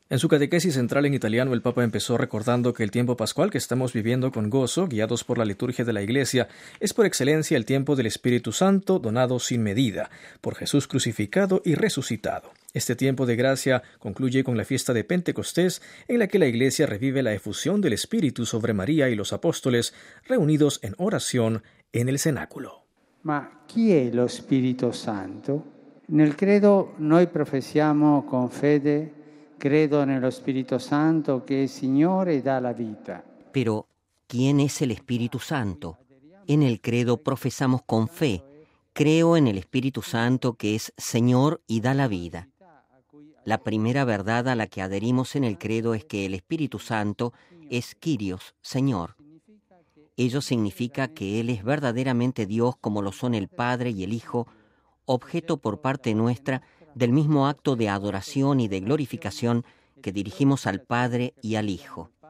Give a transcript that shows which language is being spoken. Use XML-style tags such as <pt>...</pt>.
<es>En su catequesis central en italiano, el Papa empezó recordando que el tiempo pascual que estamos viviendo con gozo, guiados por la liturgia de la Iglesia, es por excelencia el tiempo del Espíritu Santo donado sin medida, por Jesús crucificado y resucitado. Este tiempo de gracia concluye con la fiesta de Pentecostés, en la que la Iglesia revive la efusión del Espíritu sobre María y los apóstoles, reunidos en oración en el cenáculo.</es> <it>¿Ma chi è lo Spirito Santo? Nel credo noi professiamo con fede, credo nello Spirito Santo che è Signore e dà la vita. Pero, ¿chi è il Spirito Santo?</it> <es>En el credo professamos con fe, creo en el Espíritu Santo que es Señor y da la vida. La primera verdad a la que adherimos en el credo es que el Espíritu Santo es Kyrios, Señor. Ello significa que Él es verdaderamente Dios como lo son el Padre y el Hijo, objeto por parte nuestra del mismo acto de adoración y de glorificación que dirigimos al Padre y al Hijo.</es>